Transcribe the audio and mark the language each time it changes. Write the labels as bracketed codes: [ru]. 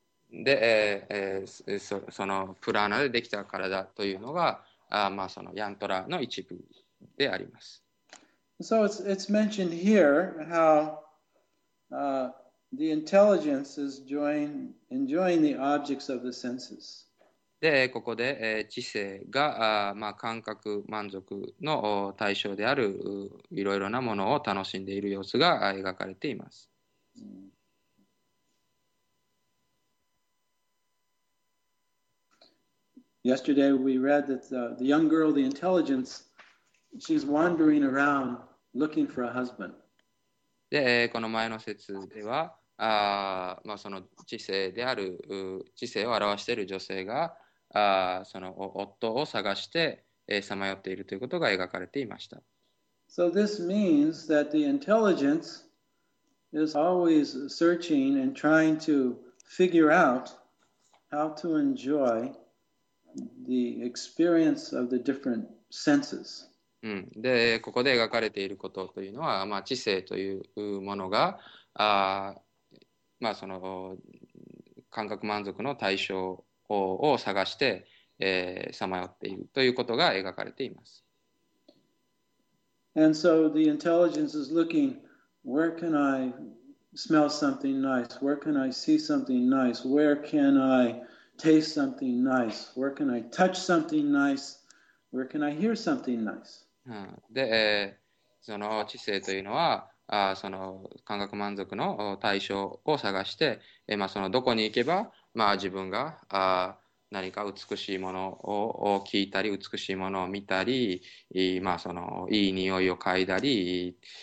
[ja] で、そのプラーナでできた体というのが、まあ、そのヤントラの一部であります。 [en] So it's mentioned here how the intelligence is enjoying the objects of the senses. [ja] で、ここで、知性が、まあ、感覚満足の対象であるいろいろなものを楽しんでいる様子が描かれています。 [en] Yesterday we read that the young girl, the intelligence, she's wandering around looking for a husband. [ja] で、この前の説では、まあ、その知性である、知性を表している女性が、その夫を探して、さまよっているということが描かれていました。 [en] So this means that the intelligence is always searching and trying to figure out how to enjoy the experience of the different senses. [ja] で、ここで描かれていることというのは、まあ、知性というものが、まあ、その感覚満足の対象を探して、さまよっているということが描かれています。 [en] And so the intelligence is looking, where can I smell something nice? Where can I see something nice? Where can I taste something nice? Where can I touch something nice? Where can I hear something nice? [ja] で、その知性というのは、その感覚満足の対象を探して、まあ、そのどこに行けば、まあ、自分が何か美しいものを聞いたり美しいものを見たり、まあ、そのいい匂いを嗅いだり、